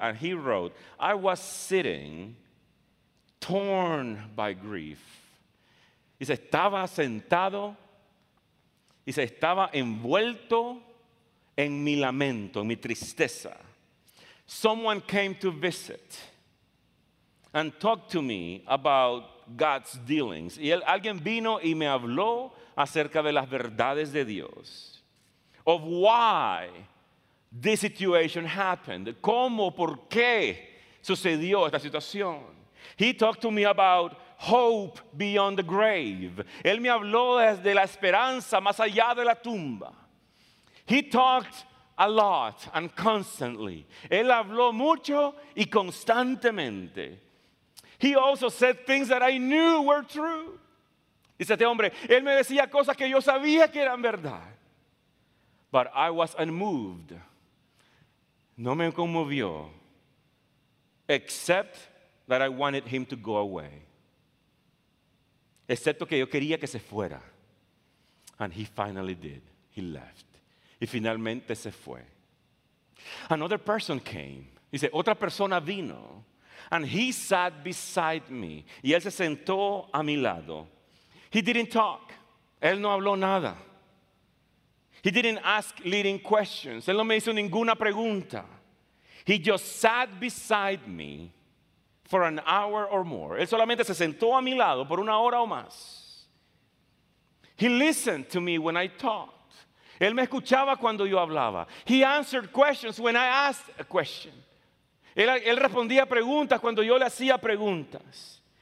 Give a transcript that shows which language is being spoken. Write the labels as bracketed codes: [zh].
[en] And he wrote, I was sitting, torn by grief. [es] Y se estaba sentado. Y se estaba envuelto en mi lamento, en mi tristeza. [en] Someone came to visit and talked to me about God's dealings. [es] Y alguien vino y me habló acerca de las verdades de Dios. [en] Of why this situation happened. [es] ¿Cómo, por qué sucedió esta situación? [en] He talked to me about hope beyond the grave. [es] Él me habló de la esperanza más allá de la tumba. [en] He talked a lot and constantly. [es] Él habló mucho y constantemente. [en] He also said things that I knew were true. [es] Dice este hombre, él me decía cosas que yo sabía que eran verdad. [en] But I was unmoved. [es] No me conmovió. [en] Except that I wanted him to go away. [es] Excepto que yo quería que se fuera. [en] And he finally did. He left. [es] Y finalmente se fue. [en] Another person came. [es] Dice, otra persona vino. [en] And he sat beside me. [es] Y él se sentó a mi lado. [en] He didn't talk. [es] Él no habló nada. [en] He didn't ask leading questions. [es] Él no me hizo ninguna pregunta. [en] He just sat beside me for an hour or more. [es] Él solamente se sentó a mi lado por una hora o más. [en] He listened to me when I talked. [es] Él me escuchaba cuando yo hablaba. [en] He answered questions when I asked a question. [es] Él respondía preguntas cuando yo le hacía preguntas.